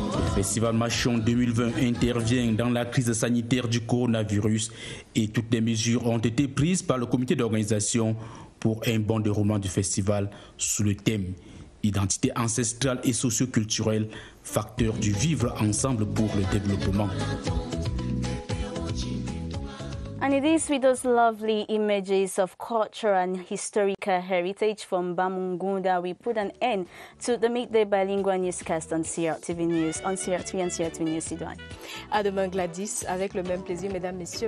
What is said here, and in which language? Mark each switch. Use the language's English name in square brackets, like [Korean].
[French] Le festival Machon 2020 intervient dans la crise sanitaire du coronavirus et toutes les mesures ont été prises par le comité d'organisation pour un bon déroulement du festival sous le thème « Identité ancestrale et socioculturelle, facteur du vivre ensemble pour le développement ». [English] And it is with those lovely images of culture and historical heritage from Bamongon that we put an end to the midday bilingual newscast on CRTV News, on CRTV and CRTV News Sidoine. [French] À demain, Gladys, avec le même plaisir, mesdames, messieurs.